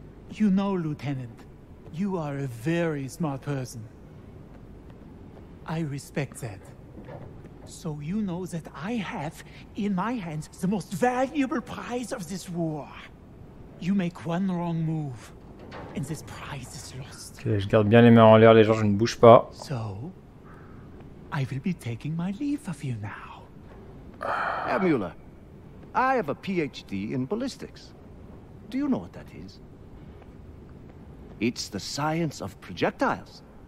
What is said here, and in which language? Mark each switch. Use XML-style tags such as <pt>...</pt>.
<en>You know, lieutenant, you are a very smart person. I respect that. So you know that I have in my hands the most valuable prize of this war. You make one wrong move and this prize is lost.</en> <fr>Okay, je garde bien les mains en l'air, les gens, je ne bouge pas.</fr> <en>So I will be taking my leave of you now. Herr Müller, I have a PhD in ballistics. Do you know what that is? It's the science of projectiles.</en>